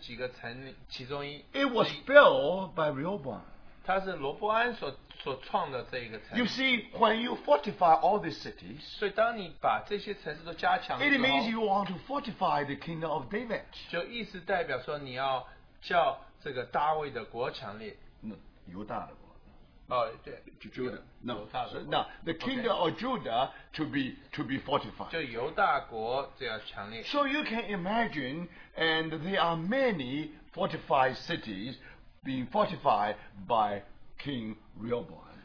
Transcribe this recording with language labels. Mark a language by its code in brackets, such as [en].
[zh] 那摩利沙其实是在犹大国最重要40几个城其中一, [en] it was built by Rehoboam. [zh] 它是罗伯安所创的这一个城。 [en] You see, when you fortify all these cities, [zh] 所以当你把这些城市都加强之后, [en] it means you want to fortify the kingdom of David. [zh] 就意思代表说你要 叫这个大卫的国强烈, 犹大的国, 哦对, 犹, 犹大的国, [en] the kingdom of Judah to be fortified. [zh] 就犹大国这样强烈, [en] so you can imagine, and there are many fortified cities being fortified by King Rehoboam.